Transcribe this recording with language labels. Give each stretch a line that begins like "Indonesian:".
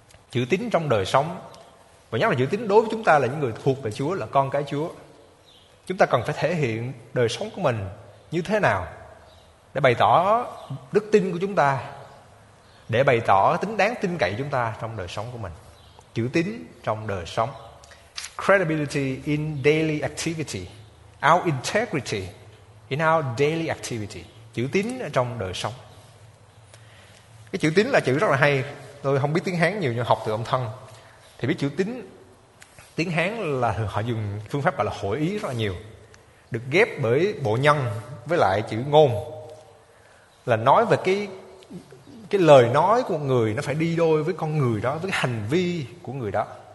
Vietnamese: Chữ tín trong đời sống, và nhất là chữ tín đối với chúng ta là những người thuộc về Chúa, là con cái Chúa. Chúng ta cần phải thể hiện đời sống của mình như thế nào để bày tỏ đức tin của chúng ta, để bày tỏ tính đáng tin cậy chúng ta trong đời sống của mình. Chữ tín trong đời sống.
English: Credibility in daily activity. Our integrity in our daily activity.
Vietnamese: Chữ tín trong đời sống. Cái chữ tín là chữ rất là hay. Tôi không biết tiếng Hán nhiều nhưng học từ ông thân thì biết chữ tín. Tiếng Hán là họ dùng phương pháp gọi là hội ý rất là nhiều, được ghép bởi bộ nhân với lại chữ ngôn, là nói về cái lời nói của người nó phải đi đôi với con người đó, với hành vi của người đó.